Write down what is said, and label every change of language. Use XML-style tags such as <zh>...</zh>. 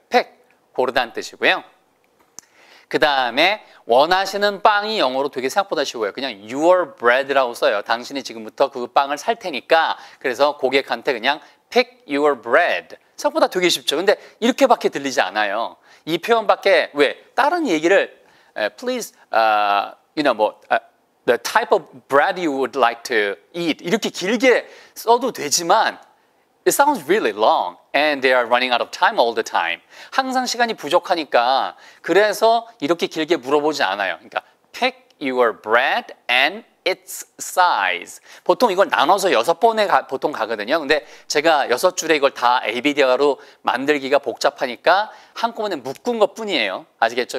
<ko>팩 고르다는 뜻이고요. 그 다음에 원하시는 빵이 영어로 되게 생각보다 쉬워요. 그냥</ko> <en>your bread</en> <ko>라고 써요. 당신이 지금부터 그 빵을 살 테니까 그래서 고객한테 그냥</ko> <en>pick your bread</en> <ko>생각보다 되게 쉽죠. 근데 이렇게밖에 들리지 않아요. 이 표현밖에 왜 다른 얘기를</ko> <en>please you know 뭐 the type of bread you would like to eat</en> <ko>이렇게 길게 써도 되지만</ko> <en>It sounds really long and they are running out of time all the time.</en> <ko>항상 시간이 부족하니까 그래서 이렇게 길게 물어보지 않아요. 그러니까</ko> <en>pick your bread and its size.</en> <ko>보통 이걸 나눠서 6번에 보통 가거든요. 근데 제가 6줄에 이걸 다 ABDR로 만들기가 복잡하니까 한꺼번에 묶은 것뿐이에요. 아시겠죠?</ko>